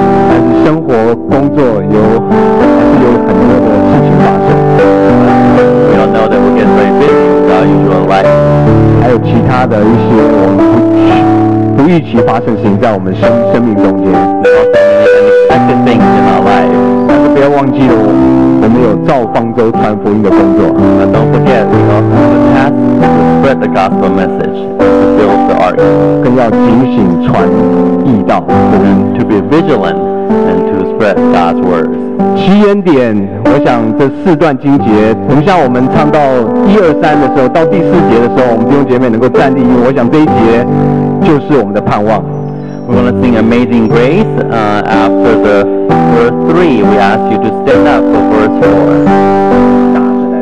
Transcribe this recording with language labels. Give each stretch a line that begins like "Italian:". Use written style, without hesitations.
Chinese: 但是生活工作有很多的事情发生。
English: We all know that we get very busy with our usual life.
Chinese: 还有其他的一些我们不预期发生的事情在我们生命中间。
English: Unexpected things in our life.
Chinese: 不要忘记了，我们有造方舟传福音的工作。
English: But don't forget, we also have a task to spread the gospel message, to build the ark.
Chinese: 更要警醒传义道。
English: And to be vigilant and to spread God's word.
Chinese: 起源点，我想这四段经节，等一下我们唱到一二三的时候，到第四节的时候，我们弟兄姐妹能够站立，我想这一节就是我们的盼望。
English: We're going to sing Amazing Grace, after the verse 3, we ask you to stand up for verse 4.